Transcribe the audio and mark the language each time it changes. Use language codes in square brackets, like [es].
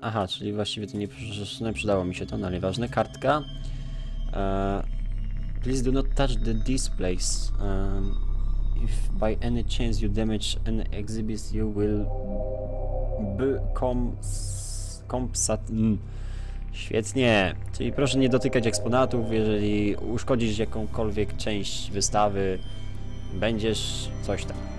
[pl] Aha, czyli właściwie to nie przydało mi się to, no ale ważne, kartka. [en] Please do not touch the displays. If by any chance you damage an exhibit, you will become compensat. [pl] Świetnie. Czyli proszę nie dotykać eksponatów, jeżeli uszkodzisz jakąkolwiek część wystawy, będziesz coś tam.